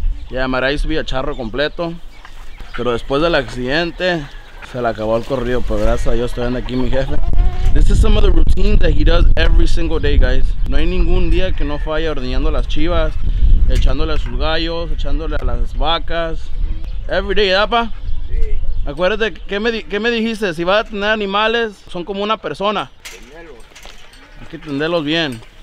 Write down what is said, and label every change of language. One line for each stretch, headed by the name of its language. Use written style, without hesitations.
Spanish: Ya, yeah, Maray subía charro completo, pero después del accidente se le acabó el corrido, pero gracias a Dios estoy aquí mi jefe.
English: This is some of the routine that he does every single day, guys.
Spanish: No hay ningún día que no falle ordeñando las chivas, echándole a sus gallos, echándole a las vacas.
English: Every day,
Spanish: ¿verdad, pa? Sí. Acuérdate, ¿qué me dijiste? Si vas a tener animales, son como una persona. Tenerlos. Hay que tenderlos bien.